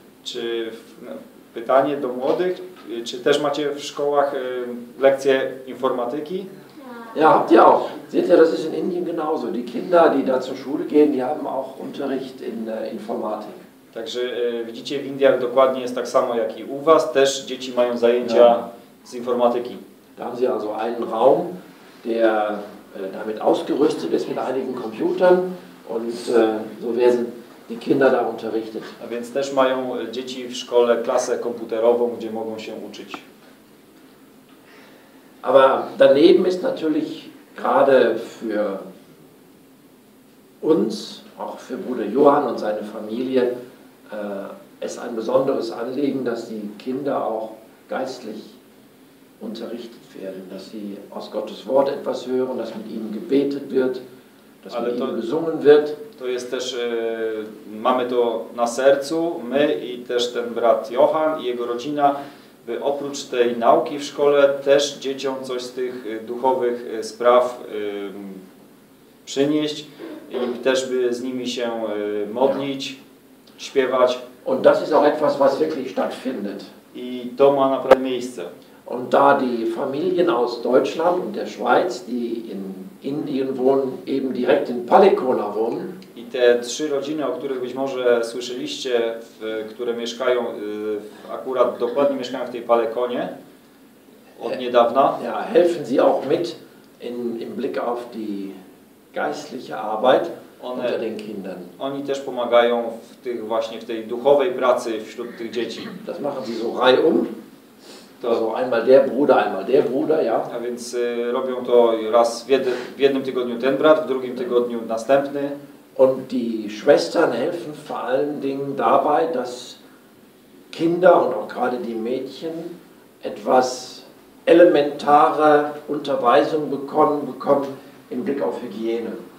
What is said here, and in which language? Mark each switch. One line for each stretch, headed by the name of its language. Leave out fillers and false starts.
Polish: Czy pytanie do młodych, czy też macie w szkołach lekcje informatyki?
German: Ja, habt ihr auch. Seht ihr, das ist in Indien genauso. Die Kinder, die da zur Schule gehen, die haben auch Unterricht in Informatik.
Polish: Także widzicie, w Indiach dokładnie jest tak samo jak i u was. Też dzieci mają zajęcia z informatyki.
German: Da haben sie also einen Raum, der damit ausgerüstet ist mit einigen Computern und so werden die Kinder da unterrichtet.
Polish: A więc też mają dzieci w szkole klasę komputerową, gdzie mogą się uczyć.
German: Aber daneben ist natürlich gerade für uns, auch für Bruder Johann und seine Familie, es ein besonderes Anliegen, dass die Kinder auch geistlich unterrichtet werden, dass sie aus Gottes Wort etwas hören, dass mit ihnen gebetet wird, dass mit ihnen gesungen wird.
Polish: To jest też, mamy to na sercu, my i też ten brat Johann i jego rodzina, by oprócz tej nauki w szkole też dzieciom coś z tych duchowych spraw przynieść i też by z nimi się modlić, śpiewać.
German: Und das ist auch etwas, was wirklich stattfindet.
Polish: I to ma naprawdę miejsce.
German: Und da die Familien aus Deutschland und der Schweiz, die in Indien wohnen, eben direkt in Palenkona wohnen.
Polish: I te trzy rodziny, o których być może słyszeliście, które mieszkają, akurat dokładnie mieszkają w tej Palenkonie od niedawna.
German: Ja, helfen sie auch mit im Blick auf die geistliche Arbeit one, unter den Kindern.
Polish: Oni też pomagają w tych właśnie w tej duchowej pracy wśród tych dzieci.
German: Das machen sie so reihum. To so einmal der Bruder, einmal der Bruder, ja.
Polish: A więc robią to raz w jednym tygodniu ten brat, w drugim tygodniu następny.
German: Und die Schwestern helfen vor allen Dingen dabei, dass Kinder und auch gerade die Mädchen etwas elementare Unterweisung bekommen im Blick auf Hygiene.